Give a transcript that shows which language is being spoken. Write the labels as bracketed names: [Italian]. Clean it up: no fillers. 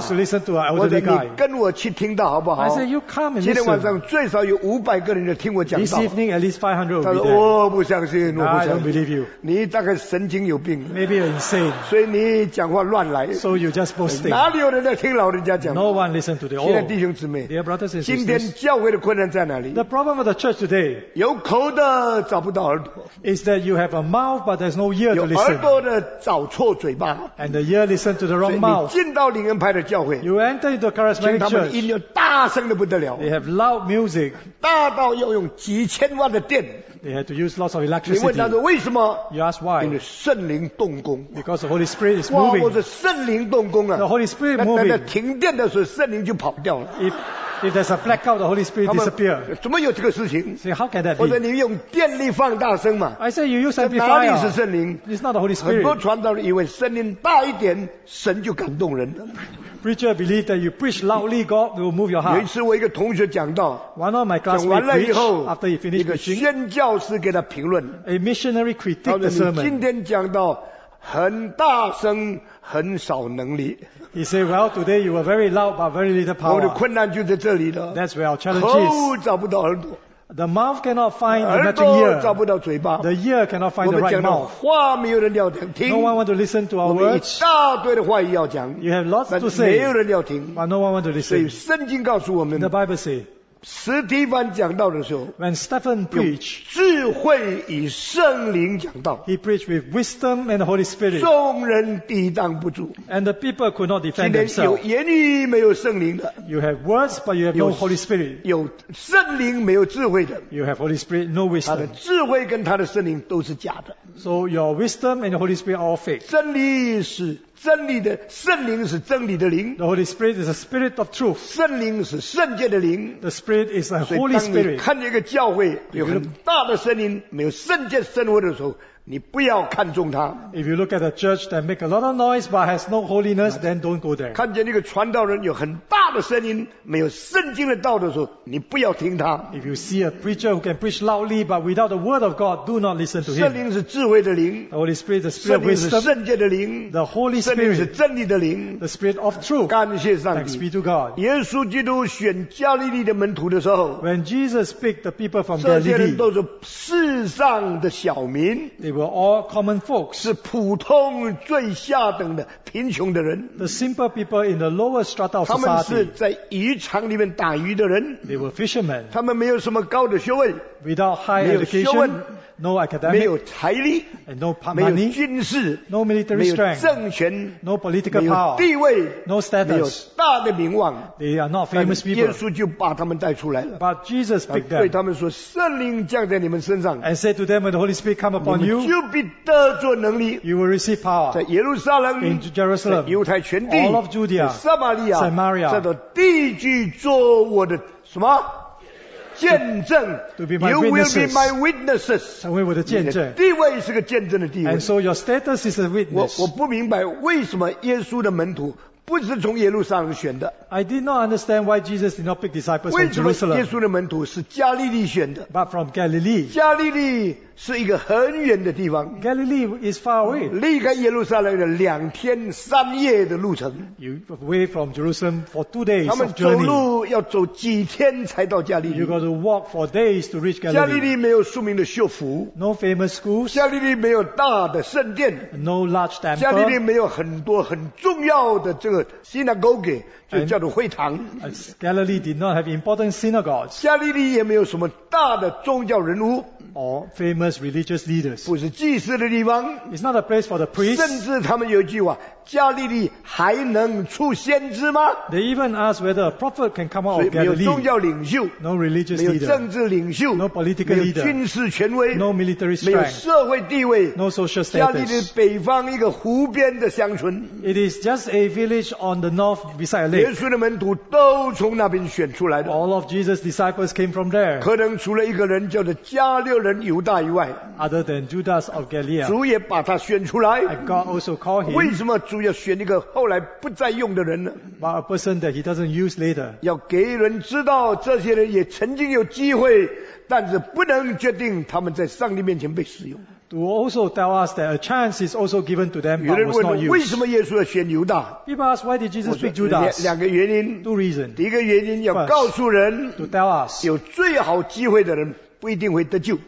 [English] Who wants to listen to an elderly guy [Chinese] 你跟我去听到好不好 [English] I say you come and listen [Chinese] 今天晚上最少有五百个人在听我讲道 [English] This evening at least 500 will be there [Chinese] 他说我不相信 [English] No, I don't believe you [Chinese] 你大概神经有病 [English] Maybe you're insane [Chinese] 所以你讲话乱来 [English] So you're just boasting [Chinese] 哪里有人家听老人家讲 [English] No one listen to the old [Chinese] 亲爱的弟兄姊妹 [English] Dear brothers and sisters [Chinese] 今天教会的困难在哪里 [English] The problem of the church today [Chinese] 有口的找不到耳朵 [English] is that you have a mouth but there's no ear to listen [Chinese] 有耳朵的找错嘴巴 [English] and the ear listen to the wrong mouth [Chinese] 所以你进到灵恩派的教会 [English] you enter into the charismatic church [Chinese] 请他们的音乐大声得不得了 [English] they have loud music [Chinese] 大到要用几千万的电 [English] they had to use lots of electricity [Chinese] 你问他说为什么 [English] you ask why [Chinese] 因为圣灵动工 [English] because the Holy Spirit is moving [Chinese] 哇我说圣灵动工啊 [English] the Holy Spirit moving [Chinese] 那停电的时候圣灵就跑掉了 [English] If there's a blackout, the Holy Spirit disappears. [Chinese] 怎么有这个事情 [English] say, How can that be? [Chinese] 或者你用电力放大声嘛 [English] I say, you use amplifier. [Chinese] 哪里是圣灵 [English] It's not the Holy Spirit. [Chinese] 很多传道人以为声音大一点神就感动人了 [English] Preacher believe that you preach loudly, God will move your heart. [Chinese] 有一次我一个同学讲到 [English] One of my classmates [Chinese] 讲完了以后 [English] after he finished preaching, [Chinese] 一个宣教师给他评论 [English] A missionary critique the sermon. [Chinese] 你今天讲到很大声很少能力 [English] He said, well, today you were very loud but very little power. [Chinese] 我的困难就在这里了 [English] That's where our challenge is. [Chinese] 口找不到耳朵 [English] The mouth cannot find the matching ear. [Chinese] 耳朵找不到嘴巴 [English] The ear cannot find the right mouth. [Chinese] 我们讲的话没有人要听 [English] No one want to listen to our words. [Chinese] 我们一大堆的话也要讲 [English] You have lots to say. [Chinese] 没有人要听 [English] But no one want to listen. [Chinese] 所以圣经告诉我们 [English] The Bible says, [Chinese] 史蒂芬讲道的时候 [English] When Stephen preached, [Chinese] 用智慧与圣灵讲道 [English] He preached with wisdom and the Holy Spirit [Chinese] 众人抵挡不住 [English] And the people could not defend themselves [Chinese] 今天有言语没有圣灵的 [English] You have words but you have no Holy Spirit [Chinese] 有圣灵没有智慧的 [English] You have Holy Spirit, no wisdom [Chinese] 他的智慧跟他的圣灵都是假的 [English] So your wisdom and the Holy Spirit are all fake [Chinese] 真理是真理的圣灵是真理的灵 [English] The Holy Spirit is the Spirit of truth [Chinese] 圣灵是圣洁的灵 [English] The Spirit is the Holy Spirit [Chinese] 所以当你看见一个教会有很大的声音没有圣洁生活的时候你不要看重他。 [English] If you look at a church that make a lot of noise but has no holiness, then don't go there. [Chinese] 看见那个传道人有很大的声音，没有圣经的道的时候，你不要听他。 [English] If you see a preacher who can preach loudly but without the word of God, do not listen to him. [Chinese] 圣灵是智慧的灵。 [English] The Holy Spirit is the Spirit of wisdom. [Chinese] 圣灵是圣洁的灵。 [English] The Holy Spirit. [Chinese] 圣灵是真理的灵。 [English] The Spirit of truth. [Chinese] 感谢上帝。 [English] Thanks be to God. [Chinese] 耶稣基督选加利利的门徒的时候 [English] ，When Jesus picked the people from Galilee, [Chinese] 这些人都是世上的小民。 [English] All common folks [Chinese] 是普通最下等的贫穷的人 [English] The simple people in the lower strata of society [Chinese] 他们是在渔场里面打鱼的人 [English] They were fishermen [Chinese] 他们没有什么高的学位 [English] Without high education No academic [Chinese] 没有财力 [English] And no money [Chinese] 没有军事 [English] No military strength [Chinese] 没有政权 [English] No political power [Chinese] 没有地位 [English] No status [Chinese] 没有大的名望 [English] They are not famous people [Chinese] 耶稣就把他们带出来了 [English] But Jesus picked them [Chinese] 对他们说圣灵降在你们身上 [English] And said to them when the Holy Spirit come upon you [Chinese] 就必得着能力 [English] You will receive power [Chinese] 在耶路撒冷 [English] In Jerusalem [Chinese] 在犹太全地 [English] All of Judea [Chinese] 在撒玛利亚 [English] Samaria [Chinese] 在这地居做我的什么见证 [English] to be my You will be my witnesses [Chinese] 成为我的见证你的地位是个见证的地位 [English] And so your status is a witness [Chinese] 我不明白为什么耶稣的门徒不是从耶路撒冷选的 [English] I did not understand why Jesus did not pick disciples from Jerusalem [Chinese] 为什么耶稣的门徒是加利利选的 [English] But from Galilee [Chinese] 加利利是一个很远的地方 [English] Galilee is far away [Chinese] 离开耶路撒冷的两天三夜的路程 [English] You away from Jerusalem for 2 days of journey [Chinese] 他们走路要走几天才到加利利 [English] You got to walk for days to reach Galilee [Chinese] 加利利没有著名的修复 [English] No famous schools [Chinese] 加利利没有大的圣殿 [English] No large temple [Chinese] 加利利没有很多很重要的这个 synagogue 就叫做会堂 [English] Galilee did not have important synagogues [Chinese] 加利利也没有什么大的宗教人物 [English] Or famous religious leaders [Chinese] 不是祭司的地方 [English] It's not a place for the priests [Chinese] 甚至他们有一句话加利利还能出先知吗 [English] They even ask whether a prophet can come out of Galilee [Chinese] 所以没有宗教领袖 [English] No religious [Chinese] leader 没有政治领袖 [English] No political leader [Chinese] 没有军事权威 [English] No military strength [Chinese] 没有社会地位 [English] No social status [Chinese] 加利利北方一个湖边的乡村 [English] It is just a village on the north beside a lake [Chinese] 耶稣的门徒都从那边选出来的 [English] All of Jesus' disciples came from there [Chinese] 可能除了一个人叫做加略人犹大以外 [English] Other than Judas of Galilee [Chinese] 主也把他选出来 [English] And God also called him [Chinese] 为什么主要选一个后来不再用的人呢 [English] But a person that he doesn't use later [Chinese] 要给人知道这些人也曾经有机会但是不能决定他们在上帝面前被使用 [English] To also tell us that a chance is also given to them but was not used [Chinese] 为什么耶稣要选犹大 [English] People ask why did Jesus pick Judas [Chinese] 两个原因 [English] Two reasons [Chinese] 第一个原因要告诉人 [English] To tell us [Chinese] 有最好机会的人不一定会得救